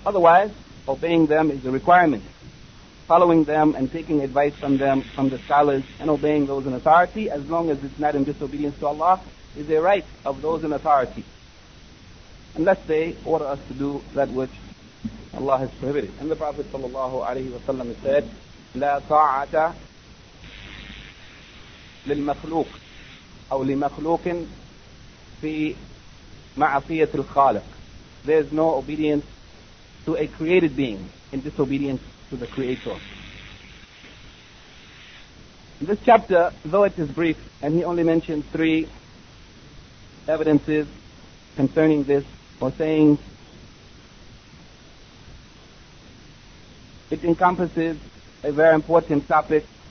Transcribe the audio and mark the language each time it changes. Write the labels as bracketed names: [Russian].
[English] Otherwise, obeying them is a requirement. Following them and taking advice from them, from the scholars, and obeying those in authority, as long as it's not in disobedience to Allah, is a right of those in authority, unless they order us to do that which Allah has prohibited. And the Prophet sallallahu alaihi wasallam said, [Arabic] لا طاعة للمخلوق أو لمخلوق في معصية الخالق. [English] There is no obedience to a created being in disobedience to the Creator. This chapter, though it is brief, and he only mentioned three evidences concerning this, or saying, it encompasses a very important topic.